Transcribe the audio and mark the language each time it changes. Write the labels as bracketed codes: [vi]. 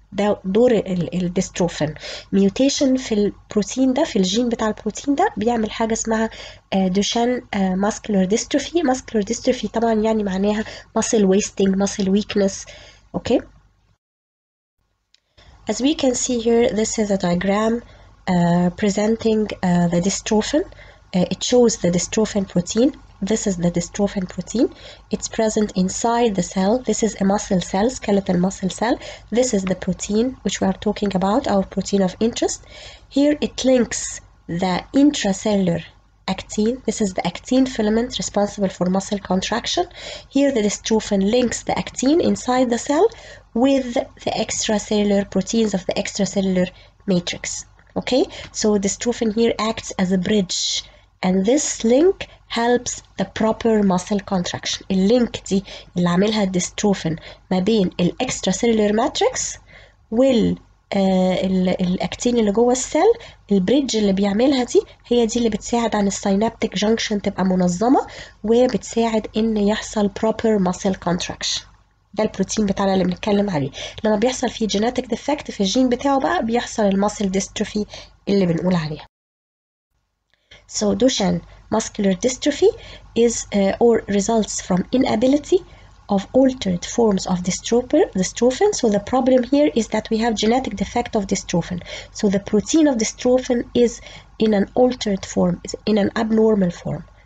[ar] ده دور الديستروفين. ميوتيشن في البروتين ده، في الجين بتاع البروتين ده، بيعمل حاجه اسمها دوشان ماسكولار ديستروفي. ماسكولار ديستروفي طبعا يعني معناها ماسل ويستنج، ماسل ويكنس. [en] Okay, as we can see here, this is a diagram presenting the dystrophin. It shows the dystrophin protein. This is the dystrophin protein. It's present inside the cell. This is a muscle cell, skeletal muscle cell. This is the protein which we are talking about, our protein of interest. Here it links the intracellular actin. This is the actin filament responsible for muscle contraction. Here the dystrophin links the actin inside the cell with the extracellular proteins of the extracellular matrix. Okay, so dystrophin here acts as a bridge, and this link helps the proper muscle contraction. [ar] اللينك دي اللي عاملها الدستروفين ما بين الاكسترا سيلولر ماتريكس وال الاكتين اللي جوه السيل، البريدج اللي بيعملها دي هي دي اللي بتساعد عن السينابتيك جانكشن تبقى منظمه، وبتساعد ان يحصل proper muscle contraction. ده البروتين بتاعنا اللي بنتكلم عليه. لما بيحصل فيه genetic defect في الجين بتاعه بقى بيحصل المسل dystrophy اللي بنقول عليها. [en] So Duchenne muscular dystrophy is or results from inability of altered forms of dystrophin. So the problem here is that we have genetic defect of dystrophin. So the protein of dystrophin is in an altered form, is in an abnormal form.